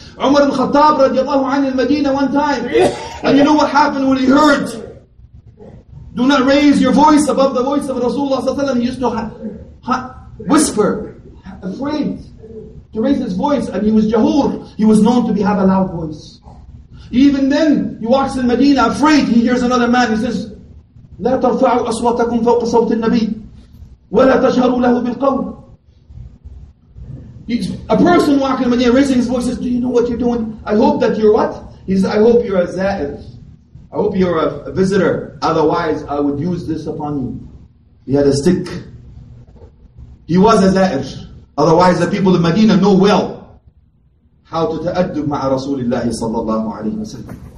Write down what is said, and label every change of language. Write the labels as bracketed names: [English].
[English] Umar al-Khattab radiallahu anhu al-Madina one time. And you know what happened when he heard? Do not raise your voice above the voice of Rasulullah sallallahu alayhi wa sallam. He used to whisper, afraid to raise his voice. And he was jahur. He was known to have a loud voice. Even then, he walks in Medina afraid. He hears another man. He says, [Arabic] لا ترفعوا أصواتكم فوق صوت النبي ولا تشهروا له بالقول. [English] A person walking in Medina raising his voice says, do you know what you're doing? I hope that you're what? He says, I hope you're a za'id. I hope you're a visitor. Otherwise, I would use this upon you. He had a stick. He was a za'id. Otherwise, the people of Medina know well how to ta'addub ma'a Rasulullah sallallahu alayhi wa sallam.